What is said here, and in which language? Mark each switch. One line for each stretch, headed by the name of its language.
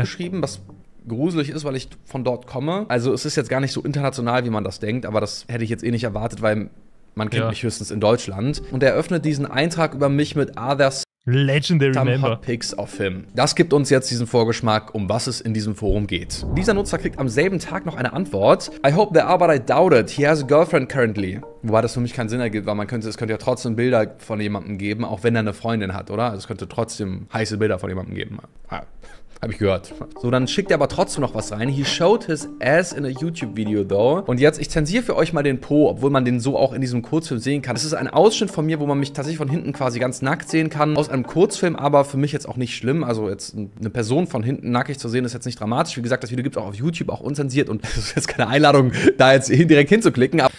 German: Geschrieben, was gruselig ist, weil ich von dort komme. Also es ist jetzt gar nicht so international, wie man das denkt, aber das hätte ich jetzt eh nicht erwartet, weil man kennt mich höchstens in Deutschland. Und er öffnet diesen Eintrag über mich mit
English: Are there Legendary some member. Hot pics of him?
German: Das gibt uns jetzt diesen Vorgeschmack, um was es in diesem Forum geht. Dieser Nutzer kriegt am selben Tag noch eine Antwort.
English: I hope there are, but I doubt it. He has a girlfriend currently.
German: Wobei das für mich keinen Sinn ergibt, weil es könnte ja trotzdem Bilder von jemandem geben, auch wenn er eine Freundin hat, oder? Also es könnte trotzdem heiße Bilder von jemandem geben. Ja. Hab ich gehört. So, dann schickt er aber trotzdem noch was rein.
English: He showed his ass in a YouTube-Video, though.
German: Und jetzt, ich zensiere für euch mal den Po, obwohl man den so auch in diesem Kurzfilm sehen kann. Das ist ein Ausschnitt von mir, wo man mich tatsächlich von hinten quasi ganz nackt sehen kann. Aus einem Kurzfilm, aber für mich jetzt auch nicht schlimm. Also jetzt eine Person von hinten nackig zu sehen, ist jetzt nicht dramatisch. Wie gesagt, das Video gibt es auch auf YouTube, auch unzensiert. Und es ist jetzt keine Einladung, da jetzt direkt hinzuklicken.